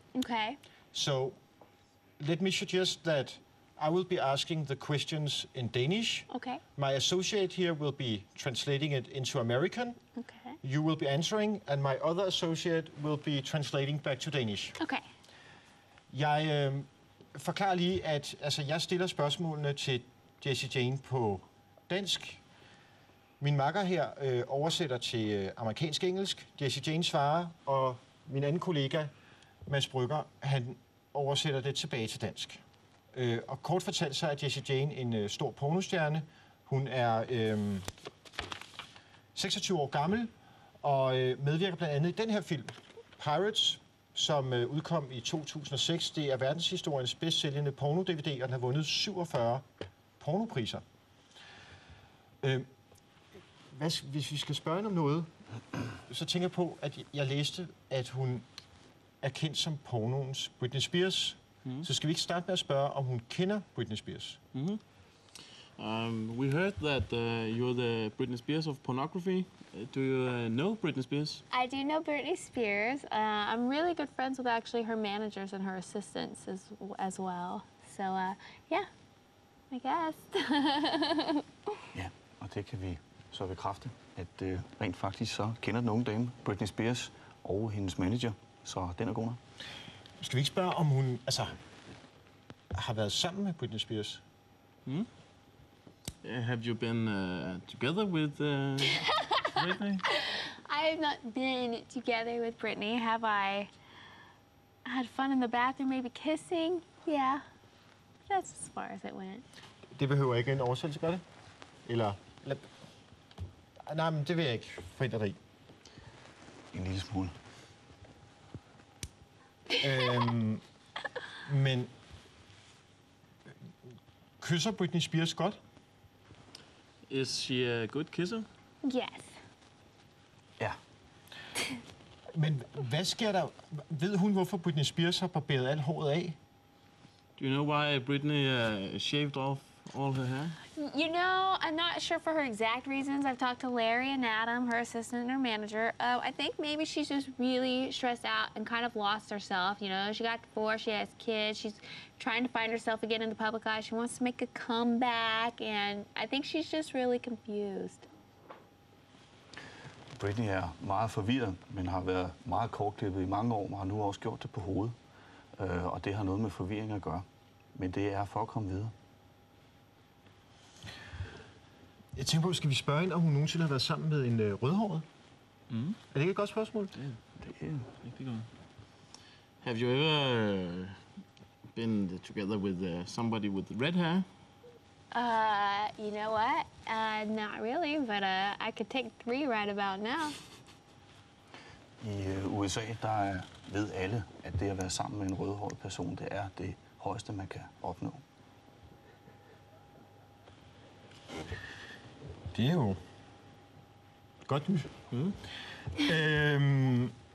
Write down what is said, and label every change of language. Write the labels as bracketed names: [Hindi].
[English] Okay. So let me suggest that I will be asking the questions in Danish. Okay. My associate here will be translating it into American. Okay. You will be answering, and my other associate will be translating back to Danish. Okay. [Danish] Jeg forklarer lige, at altså, jeg stiller spørgsmålene til Jessie Jane på dansk. Min makker her oversætter til amerikansk-engelsk. Jessie Jane svarer, og min anden kollega, Mads Brygger, han oversætter det tilbage til dansk. Og kort fortalt så er Jessie Jane en stor pornostjerne. Hun er 26 år gammel og medvirker blandt andet i den her film, Pirates, som udkom i 2006. Det er verdenshistoriens bedst sælgende porno-DVD, og den har vundet 47 pornopriser. Hvis vi skal spørge om noget, så tænker jeg på, at jeg læste, at hun er kendt som pornoens Britney Spears. So, skal vi ikke starte med at spørge, om hun kender Britney Spears? Mm-hmm. [English] We heard that you're the Britney Spears of pornography. Do you know Britney Spears? I do know Britney Spears. I'm really good friends with actually her managers and her assistants as well. So, yeah, I guess. [Danish] Ja, og det kan vi så bekræfte, at rent faktisk så kender den unge dame Britney Spears og hendes manager. Så den er god nok. Skal vi ikke spørge, om hun altså har været sammen med Britney Spears? Hmm? [English] Have you been together with Britney? I have not been together with Britney. Have I had fun in the bathroom, maybe kissing? Yeah. That's as far as it went. [Danish] Det behøver ikke en oversættelse, gør det? Eller? Nej, men det vil jeg ikke forhindre dig i. En lille smule. Men kysser Britney Spears godt? [English] Is she a good kisser? Yes. [Danish] Ja. Men hvad sker der? Ved hun, hvorfor Britney Spears har barberet alt håret af? [English] Do you know why Britney shaved off all her hair? You know, I'm not sure for her exact reasons. I've talked to Larry and Adam, her assistant and her manager. I think maybe she's just really stressed out and kind of lost herself. You know, she got divorced, she has kids, she's trying to find herself again in the public eye. She wants to make a comeback, and I think she's just really confused. [Danish] Britney er meget forvirret, men har været meget kortklippet i mange år, og har nu også gjort det på hovedet. Og det har noget med forvirring at gøre. Men det er for at komme videre. Jeg tænker på, skal vi spørge hende, om hun nogensinde har været sammen med en rødhåret? Mm. Er det ikke et godt spørgsmål? Ja, det er rigtig godt. [English] Have you ever been together with somebody with red hair? You know what? Not really, but I could take three right about now. [Danish] I USA, der ved alle, at det at være sammen med en rødhåret person, det er det højeste, man kan opnå. Det er jo godt nyt. Mm.